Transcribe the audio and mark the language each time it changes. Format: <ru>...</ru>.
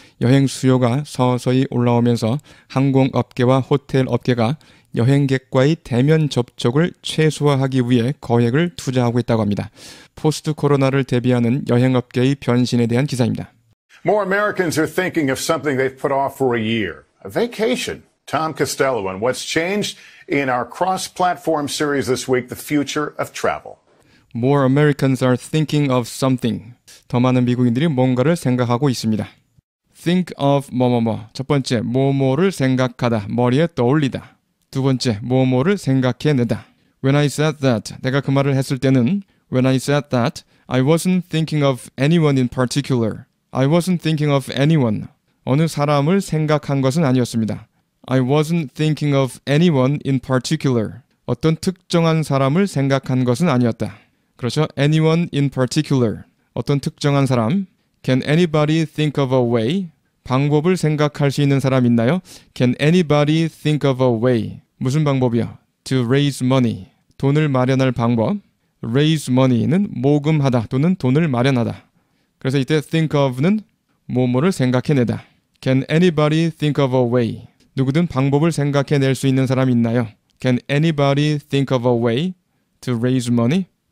<ko>여행 수요가 서서히 올라오면서 항공업계와 호텔업계가 여행객과의 대면 접촉을 최소화하기 위해 거액을 투자하고 있다고 합니다. 포스트 코로나를 대비하는 여행업계의 변신에 대한 기사입니다.</ko> <en>More Americans are thinking of something they've put off for a year. A vacation. Tom Costello on what's changed in our cross-platform series this week, The Future of Travel. More Americans are thinking of something.</en> <ko>더 많은 미국인들이 뭔가를 생각하고 있습니다.</ko> <en>Think of 뭐뭐뭐.</en> <ko>첫 번째, 뭐뭐를 생각하다. 머리에 떠올리다. 두 번째, 뭐뭐를 생각해내다.</ko> <en>When I said that,</en> <ko>내가 그 말을 했을 때는</ko> <en>When I said that, I wasn't thinking of anyone in particular. I wasn't thinking of anyone.</en> <ko>어느 사람을 생각한 것은 아니었습니다.</ko> <en>I wasn't thinking of anyone in particular.</en> <ko>어떤 특정한 사람을 생각한 것은 아니었다. 그렇죠.</ko> <en>Anyone in particular.</en> <ko>어떤 특정한 사람.</ko> <en>Can anybody think of a way?</en> <ko>방법을 생각할 수 있는 사람 있나요?</ko> <en>Can anybody think of a way?</en> <ko>무슨 방법이요?</ko> <en>To raise money.</en> <ko>돈을 마련할 방법.</ko> <en>Raise money</en> <ko>는 모금하다 또는 돈을 마련하다. 그래서 이때 think of는 뭐뭐를 생각해내다.</ko> <en>Can anybody think of a way?</en> <ko>누구든 방법을 생각해낼 수 있는 사람 있나요?</ko> <en>Can anybody think of a way to raise money?</en>